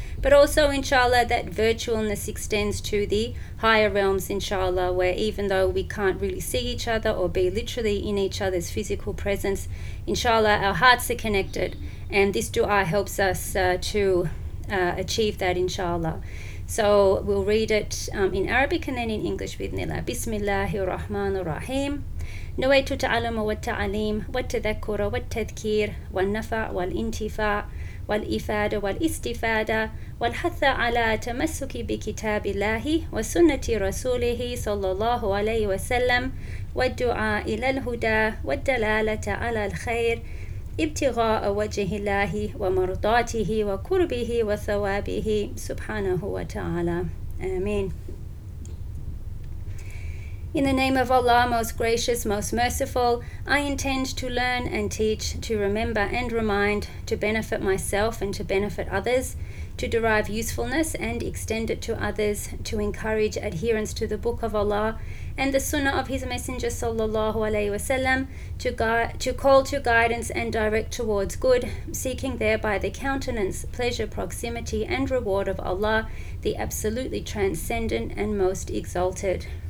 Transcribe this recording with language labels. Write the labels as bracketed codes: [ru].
[en] But also, inshallah, that virtualness extends to the higher realms, inshallah, where even though we can't really see each other or be literally in each other's physical presence, inshallah, our hearts are connected. And this dua helps us to achieve that, inshallah. So we'll read it in Arabic and then in English with Nila. [ar] Bismillahirrahmanirrahim. نويت تعلم والتعليم والتذكر والتذكير والنفع والانتفاع والإفادة والاستفادة والحث على تمسك بكتاب الله وسنة رسوله صلى الله عليه وسلم والدعاء إلى الهدى والدلالة على الخير ابتغاء وجه الله ومرضاته وقربه وثوابه سبحانه وتعالى آمين. [en] In the name of Allah, most gracious, most merciful, I intend to learn and teach, to remember and remind, to benefit myself and to benefit others, to derive usefulness and extend it to others, to encourage adherence to the Book of Allah and the Sunnah of His Messenger sallallahu alaihi wasallam, to call to guidance and direct towards good, seeking thereby the countenance, pleasure, proximity and reward of Allah, the absolutely transcendent and most exalted.